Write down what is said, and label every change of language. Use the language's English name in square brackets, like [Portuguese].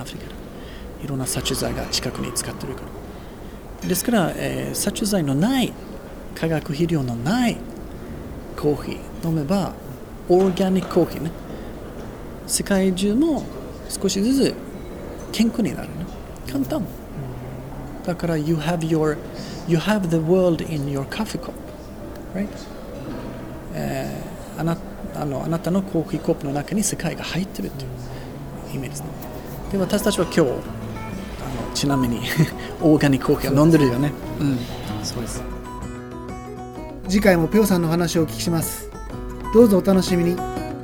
[Japanese] アフリカでいろんな殺虫剤が近くに使ってるから。ですから、殺虫剤のない、化学肥料のないコーヒー飲めば、オーガニックコーヒーね、世界中も少しずつ健康になるね。簡単。だから [English] you have the world in your coffee cup, right? [Japanese] あなたのコーヒーコップの中に世界が入ってるっていうイメージですね。で私たちは今日ちなみにオーガニックコーヒーを飲んでるよね。うん、そうです。次回もぴょうさんの話をお聞きします。どうぞお楽しみに。